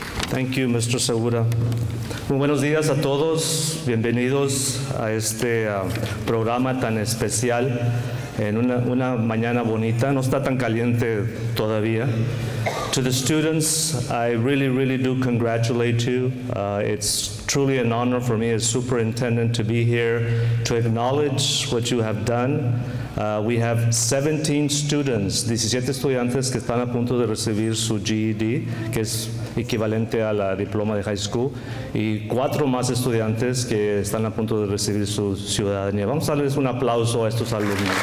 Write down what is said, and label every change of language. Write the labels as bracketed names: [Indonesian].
[English] Thank you, [Spanish] Mr. Segura. Muy buenos días a todos. Bienvenidos a este programa tan especial en una mañana bonita. No está tan caliente todavía. [English] To the students, I really, really do congratulate you. It's truly an honor for me as superintendent to be here to acknowledge what you have done. We have 17 students, [Spanish] 17 estudiantes que están a punto de recibir su GED, que es equivalente a la diploma de high school, y 4 más estudiantes que están a punto de recibir su ciudadanía. Vamos a darles un aplauso a estos alumnos.